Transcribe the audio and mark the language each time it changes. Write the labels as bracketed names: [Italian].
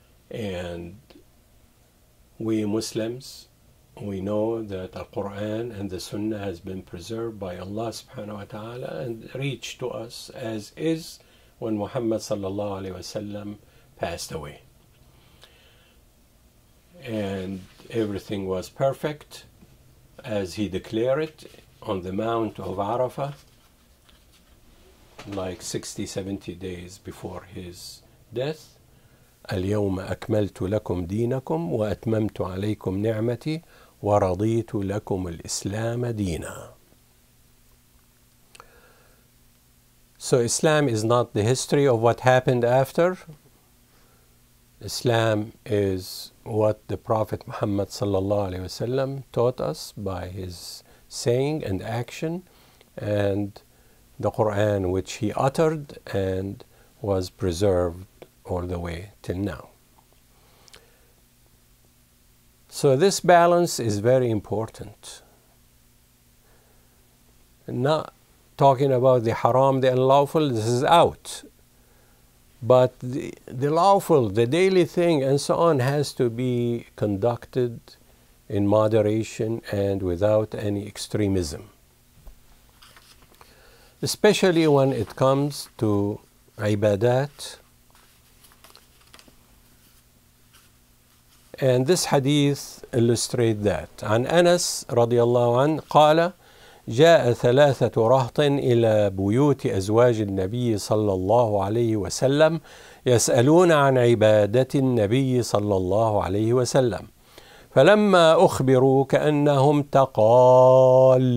[English] And we Muslims, we know that the Quran and the Sunnah has been preserved by Allah subhanahu wa ta'ala and reached to us as is when Muhammad sallallahu alaihi wasallam passed away. And everything was perfect as he declared it on the Mount of Arafah, like 60-70 days before his death. [Arabic] اليوم أكملت لكم دينكم وأتممت عليكم نعمتي ورضيت لكم الإسلام دينا. [English] So Islam is not the history of what happened after. Islam is what the Prophet Muhammad sallallahu alaihi wasallam taught us by his saying and action, and the Quran which he uttered and was preserved all the way till now. So this balance is very important. Not talking about the haram, the unlawful, this is out. But the lawful, the daily thing and so on has to be conducted in moderation and without any extremism. Especially when it comes to ibadat. And this hadith illustrates that. [Arabic] عن أنس رضي الله عنه قال جاء ثلاثة رهط إلى بيوت أزواج النبي صلى الله عليه وسلم يسألون عن عبادة النبي صلى الله عليه وسلم فلما أخبروا كأنهم تقالوها